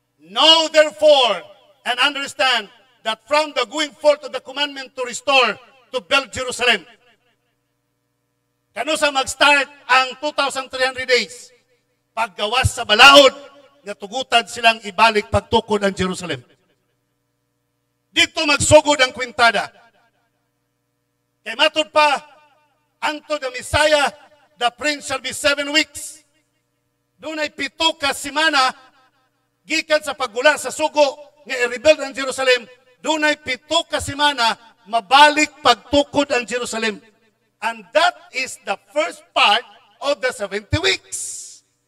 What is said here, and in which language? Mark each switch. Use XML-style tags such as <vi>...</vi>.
<en>Know therefore and understand that from the going forth of the commandment to restore to build Jerusalem.</en> <ceb>Kano sa mag-start ang 2,300 days? Paggawas sa balaod na tugutan silang ibalik pagtukod ang Jerusalem. Dito magsugod ang kwintada. Kaya matod pa,</ceb> <en>unto the Messiah, the prince shall be 7 weeks.</en> <ceb>Doon ay 7 ka semana, gikan sa paggula sa sugo, nga i-rebuild ang Jerusalem. Doon ay 7 ka semana, mabalik pagtukod ang Jerusalem.</ceb> <en>And that is the first part of the 70 weeks.</en>